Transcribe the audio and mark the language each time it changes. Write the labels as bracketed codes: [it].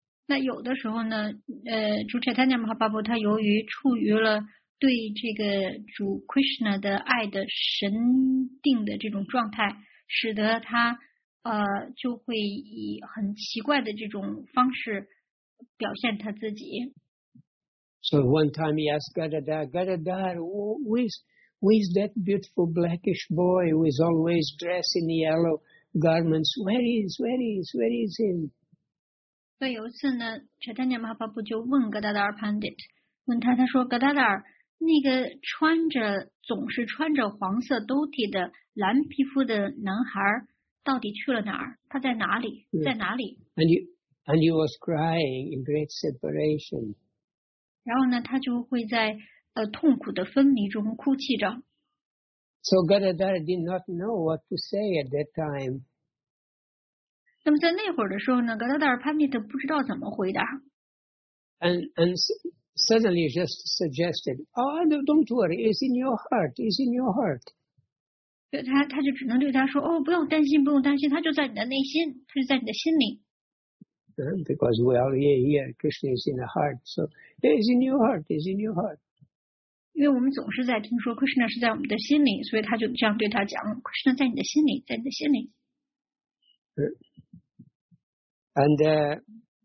[zh] 那有的时候呢，主柴塔尼亚马哈巴布他由于处于了对这个主 Krishna 的爱的神定的这种状态，使得他就会以很奇怪的这种方式表现他自己。 [en] So one time he asked Gadadhara, who is that beautiful blackish boy who is always dressed in yellow garments? Where is him? [zh] 所以有一次呢，查丹尼马巴布就问格达达尔潘迪特，问他，他说格达达尔，那个总是穿着黄色兜底的蓝皮肤的男孩，到底去了哪儿？他在哪里？在哪里 [en] ？And he was crying in great separation. [zh] 然后呢，他就会在痛苦的分离中哭泣着。 [en] So Gadadhara did not know what to say at that time. [zh] 那么在那会儿的时候呢，格达达尔潘迪特不知道怎么回答。 [en] And suddenly just suggested, "Oh, no, don't worry, it's in your heart, it's in your heart." [zh] 对他就只能对他说，哦，不用担心，不用担心，他就在你的内心，他就在你的心里。 [en] Because Krishna is in the heart, so it's in your heart, it's in your heart. [zh] 因为我们总是在听说 Krishna 是在我们的心里，所以他就这样对他讲 ，Krishna 在你的心里，在你的心里。 [en] And